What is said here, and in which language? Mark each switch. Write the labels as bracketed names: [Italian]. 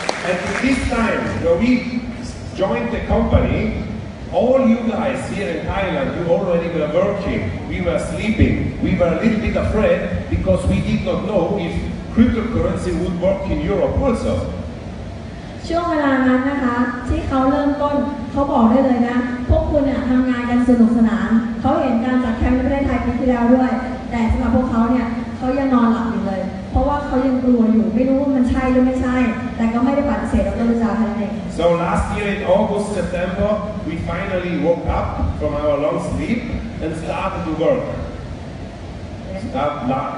[English] At this time when we joined the company all you guys here in Thailand you already were working we were sleeping we were a little bit afraid because we did not know ifcryptocurrency would work in Europe also [Thai] ช่วงเวลานั้นนะคะที่เขาเริ่มต้นเขาบอกได้เลยนะพวกคุณเนี่ยทำงานกันสนุกสนานเขาเห็นการจัดแคมป์ในประเทศไทยปีที่แล้วด้วยแต่สำหรับพวกเขาเนี่ยเขายังนอนหลับอยู่เลยเพราะว่าเขายังกลัวอยู่ไม่รู้ว่ามันใช่หรือไม่ใช่แต่ก็ไม่ได้ปฏิเสธการบริจาคอะไรเลย [English] So last year in August September we finally woke up from our long sleep and started to workAnd the